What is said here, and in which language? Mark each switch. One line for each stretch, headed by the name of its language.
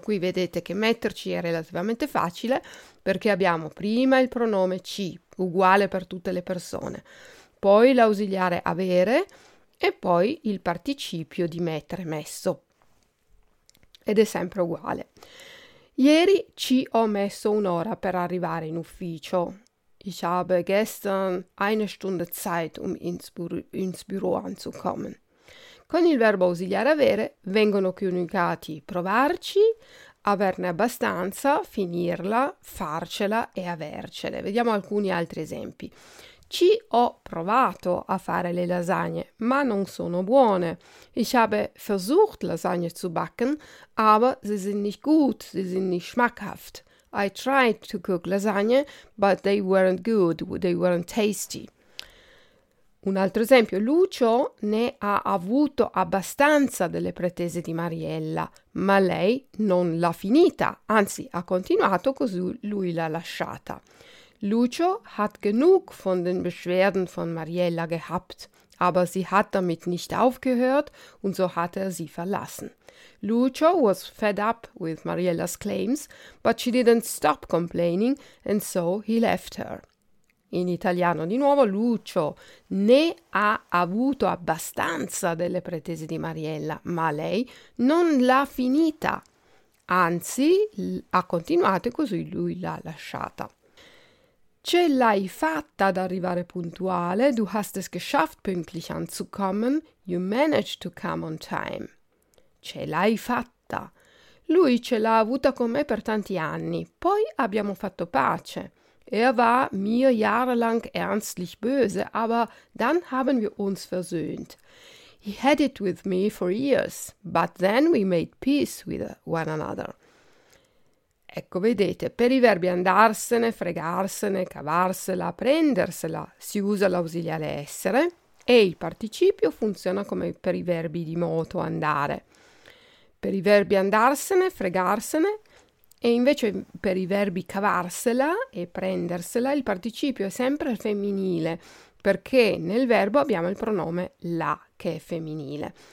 Italian: Qui vedete che metterci è relativamente facile perché abbiamo prima il pronome ci, uguale per tutte le persone, poi l'ausiliare avere, e poi il participio di mettere, messo. Ed è sempre uguale. Ieri ci ho messo un'ora per arrivare in ufficio.
German: Ich habe gestern eine Stunde Zeit, um ins Büro anzukommen.
Italian: Con il verbo ausiliare avere vengono coniugati provarci, averne abbastanza, finirla, farcela e avercele. Vediamo alcuni altri esempi. Ci ho provato a fare le lasagne, ma non sono buone.
German: Ich habe versucht, Lasagne zu backen, aber sie sind nicht gut, sie sind nicht schmackhaft.
English: I tried to cook lasagne, but they weren't good, they weren't tasty.
Italian: Un altro esempio, Lucio ne ha avuto abbastanza delle pretese di Mariella, ma lei non l'ha finita, anzi ha continuato così lui l'ha lasciata.
German: Lucio hat genug von den Beschwerden von Mariella gehabt, aber sie hat damit nicht aufgehört und so hat er sie verlassen.
English: Lucio was fed up with Mariella's claims, but she didn't stop complaining and so he left her.
Italian: In italiano di nuovo, Lucio ne ha avuto abbastanza delle pretese di Mariella, ma lei non l'ha finita, anzi ha continuato e così lui l'ha lasciata. Ce l'hai fatta ad arrivare puntuale,
German: du hast es geschafft pünktlich anzukommen,
English: you managed to come on time.
Italian: Ce l'hai fatta. Lui ce l'ha avuta con me per tanti anni, poi abbiamo fatto pace.
German: Er war mir jahrelang ernstlich böse, aber dann haben wir uns versöhnt.
English: He had it with me for years, but then we made peace with one another.
Italian: Ecco, vedete, per i verbi andarsene, fregarsene, cavarsela, prendersela, si usa l'ausiliare essere e il participio funziona come per i verbi di moto andare. Per i verbi andarsene, fregarsene, e invece per i verbi cavarsela e prendersela, il participio è sempre femminile, perché nel verbo abbiamo il pronome la, che è femminile.